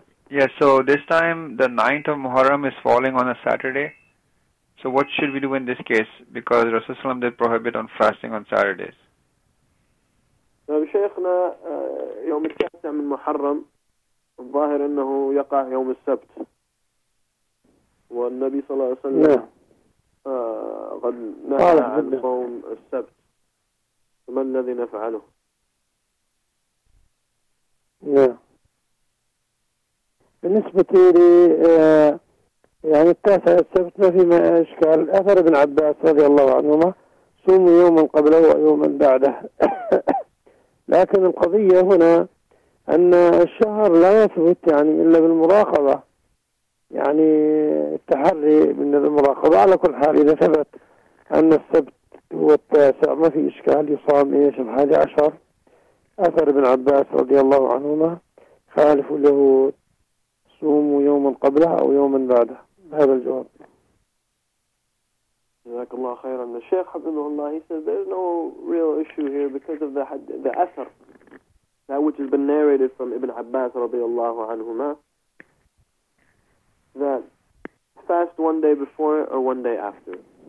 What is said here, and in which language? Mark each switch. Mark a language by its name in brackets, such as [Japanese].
[English] Yeah, so this time the 9th of Muharram is falling on a Saturday. So what should we do in this case? Because Rasulullah did prohibit on fasting on Saturdays. [Arabic] شيخنا يوم التاسع من محرم الظاهر أنه يقع يوم السبت والنبي صلى الله عليه وسلم قد نهى عن صوم السبت فما الذي نفعله؟ بالنسبة لي يعني التاسع السبت ما في إشكال. أثر ابن عباس رضي الله عنهما صوم يوما قبله ويوما بعده لكن القضية هنا أن الشهر لا يثبت يعني إلا بالمراقبة يعني التحري من المراقبة. على كل حال إذا ثبت أن السبت هو التاسع ما في إشكال يصام إيش الحادي عشر. أثر ابن عباس رضي الله عنهما خالف له صوم يوما قبلها أو يوما بعدها. هذا الجواب. جزاك الله خيرا. الشيخ حفظه الله [English] he says there's no real issue here because of the أثر that which has been narrated from Ibn Abbas [Arabic] رضي الله عنهما [English] that fast one day before it or one day after it.